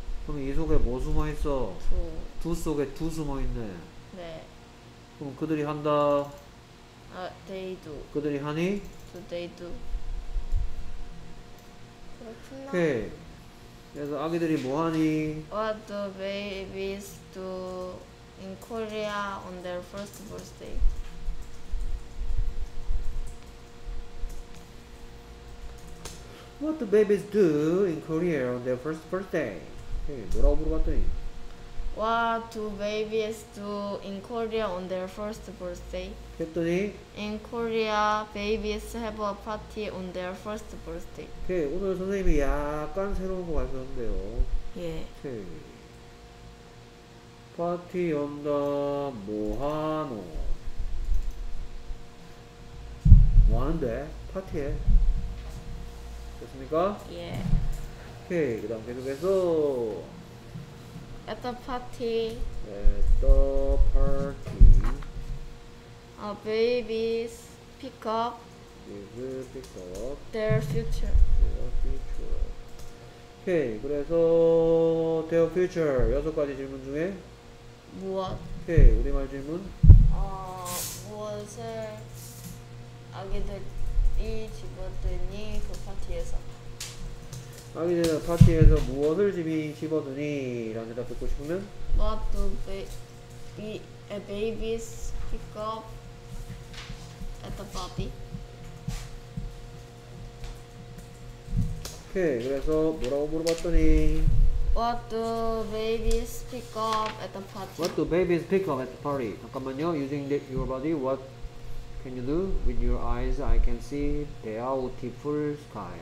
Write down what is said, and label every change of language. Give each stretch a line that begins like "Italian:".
Korean: 그럼 이 속에 뭐 숨어있어? 두. 두 속에 두 숨어있네. 네. 그럼 그들이 한다.
English: 아, they do.
Korean: 그들이 하니?
English: Do they do.
Korean: 그렇구나. 오케이. 그래서 아기들이 뭐 하니?
English: What do babies do in Korea on their first birthday? 뭐 babies do in Korea on their first birthday?
Korean: 뭐라고 물어봤더니
English: What do babies do in Korea on their first birthday?
Korean: 했더니
English: In Korea, babies have a party on their first birthday.
Korean: 오케이, 오늘 선생님이 약간 새로운 거 가르쳤는데요. 예. 오케이. 파티 온다 뭐하노? 뭐하는데? 파티해. 됐습니까? 예. 오케이, 그 다음 계속해서
English: At the party At the party A babies pick up pick up Their future
Korean: Their future 오케이, 그래서 Their future 여섯 가지 질문 중에 무엇? 오케이, 우리말 질문 무엇을 아기들이 집었더니 그 파티에서 아기들은 파티에서 무엇을 집어드니? 라는 대답 듣고 싶으면
English: What do babies pick up at the party?
Korean: 오케이, 그래서 뭐라고 물어봤더니
English: What do babies pick up at the party? What do babies pick up at the party? 잠깐만요, using your body, what can you do? With your eyes, I can see beautiful sky.